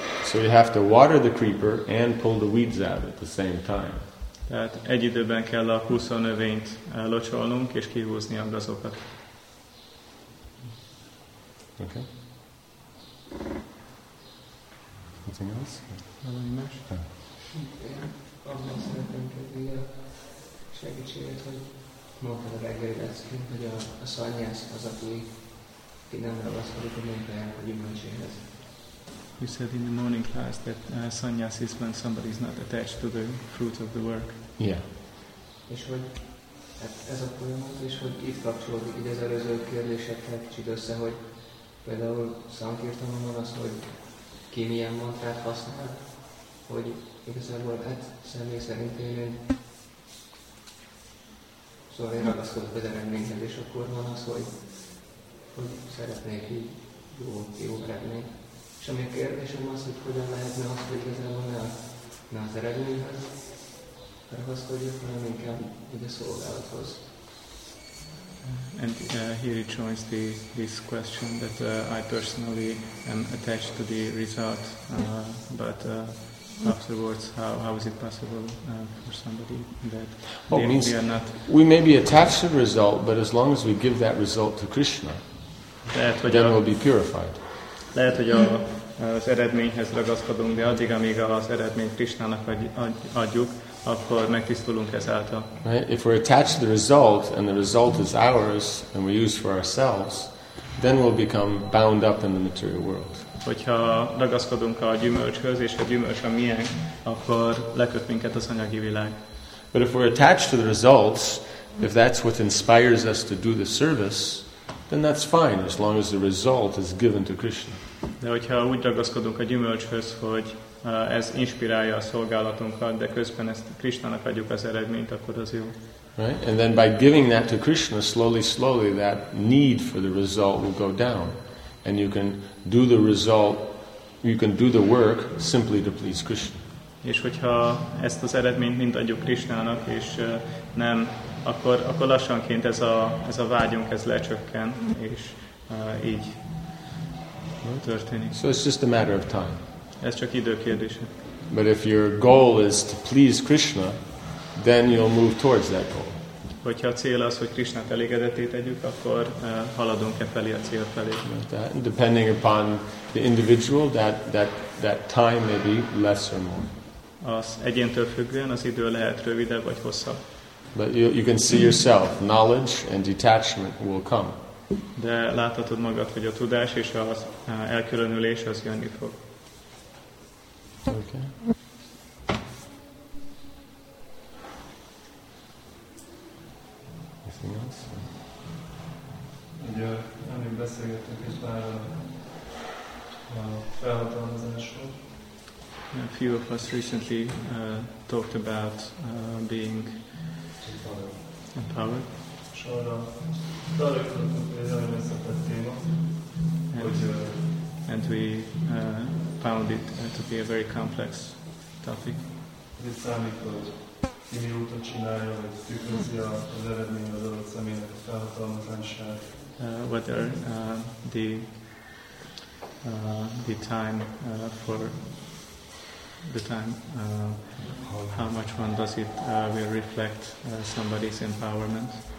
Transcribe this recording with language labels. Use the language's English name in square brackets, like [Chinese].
[English] So you have to water the creeper and pull the weeds out at the same time. [Hungarian] Tehát egy időben kell a kúszó növényt locsolnunk és kihúzni a gazokat. [English] Okay. Anything else? [Hungarian] Valami más? Azzal szeretném kérni a segítséget, hogy mondtad a reggeli leckén, hogy a szanyász az, aki nem ragaszkodik a munkáját a gyümölcséhez. [English] You said in the morning class that sannyas is when somebody is not attached to the fruit of the work. Yeah. [Hungarian] És hogy ez a folyamat, és hogy itt kapcsolódik így az előző kérdésekkel kicsit össze, hogy például Sankirtanon van az, hogy ki milyen mantrát használ, hogy igazából hát személy szerint én szóval én ragaszkodok az eredményhez, és akkor van az, hogy szeretnék így jó eredményt. És ami a kérdésem az, hogy hogyan lehetne azt, hogy igazából ne az eredményhez ragaszkodjak, hanem inkább így a szolgálathoz. [English] And here he joins this question that I personally am attached to the result, but afterwards, how is it possible for somebody that we are not? We may be attached to the result, but as long as we give that result to Krishna, then we'll be purified. [Hungarian] Lehet, hogy az eredményhez ragaszkodunk, de addig, amíg az eredményt Krishnának adjuk, akkor megtisztulunk ezáltal. [English] Right? If we're attached to the result and the result is ours and we use for ourselves, then we'll become bound up in the material world. [Hungarian] Hogyha ragaszkodunk a gyümölcshöz és a gyümölcs a miénk, akkor leköt minket az anyagi világ. [English] But if we're attached to the results, if that's what inspires us to do the service, then that's fine as long as the result is given to Krishna. [Hungarian] De hogyha úgy ragaszkodunk a gyümölcshöz, hogy ez inspirálja a szolgálatunkat, de közben ezt Krisztának adjuk az eredményt, akkor az jó. [English] Right? And then by giving that to Krishna, slowly that need for the result will go down. And you can do the result, you can do the work simply to please Krishna. [Hungarian] És hogyha ezt az eredményt mind adjuk Krisztának, és nem, akkor lassanként ez a vágyunk, ez lecsökken, és így történik. [English] So it's just a matter of time. [Hungarian] Ez csak idő kérdése. [English] But if your goal is to please Krishna, then you'll move towards that goal. [Hungarian] Hogyha a cél az, hogy Krishnát elégedetté tegyük, akkor haladunk e felé a cél felé. [English] That, depending upon the individual, that time may be less or more. [Hungarian] Az egyéntől függően az idő lehet rövidebb vagy hosszabb. [English] But you can see yourself, knowledge and detachment will come. [Hungarian] De láthatod magad, hogy a tudás és az elkülönülés az jönni fog. [English] Okay. [Hungarian] Ugye elég beszélgettünk is már a felhatalmazásról. [English] A few of us recently talked about being empowered. [Hungarian] És arra találkozottunk, hogy ez egy nagyon összetett téma. [English] And we found it to be a very complex topic. [Hungarian] Ez számít, hogy ki mi úton csinálja, vagy tükrözi az eredmény az adott személynek a felhatalmazását. [English] Whether the time for the time how much one does it will reflect somebody's empowerment.